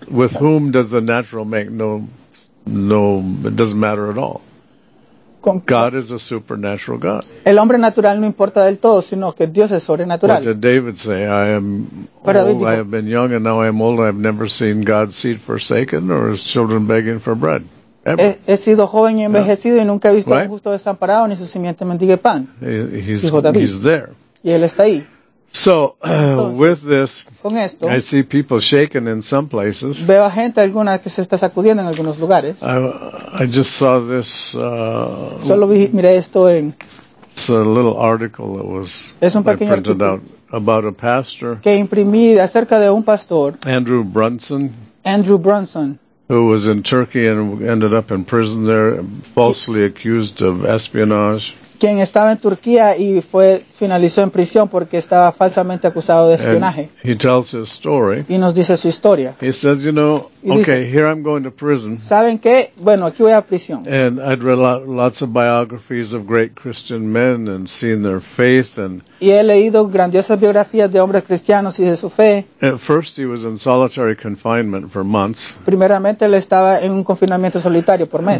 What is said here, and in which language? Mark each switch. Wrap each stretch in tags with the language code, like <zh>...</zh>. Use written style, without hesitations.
<en>With whom does the natural make no, it doesn't matter at all. God is a supernatural God.</en> <es>El hombre natural no importa del todo, sino que Dios es sobrenatural.</es> <en>What did David say? I am old,</en> <es>digo,</es> <en>I have been young and now I am old. I have never seen God's seed forsaken or his children begging for bread. Ever.</en> <es>He sido joven y envejecido y nunca he visto un justo desamparado ni su simiente mendigue pan.</es> <en>He's there.</en> <es>Y él está ahí.</es> <en>So, entonces, with this,</en> <es>con esto,</es> <en>I see people shaking in some places.</en> <es>Veo a gente alguna que se está sacudiendo en algunos lugares.</es> <en>I just saw this.</en> <es>Solo vi, miré esto en.</es> <en>It's a little article that was printed out about a pastor.</en> <es>Que imprimí acerca de un pastor.</es> <en>Andrew Brunson.</en> <es>Andrew Brunson.</es> <en>Who was in Turkey and ended up in prison there, falsely accused of espionage.</en> <es>Quien estaba en Turquía y fue finalizó en prisión porque estaba falsamente acusado de espionaje.</es> <en>And he tells his story.</en> <es>Y nos dice su historia.</es> <en>He says, you know, okay, here I'm going to prison.</en> <es>¿Saben qué? Bueno, aquí voy a prisión.</es> <en>And I'd read lots of biographies of great Christian men and seen their faith and.</en> <es>Y he leído grandiosas biografías de hombres cristianos y de su fe.</es> <en>At first he was in solitary confinement for months.</en> <es>Primeramente él estaba en un confinamiento solitario por meses.</es>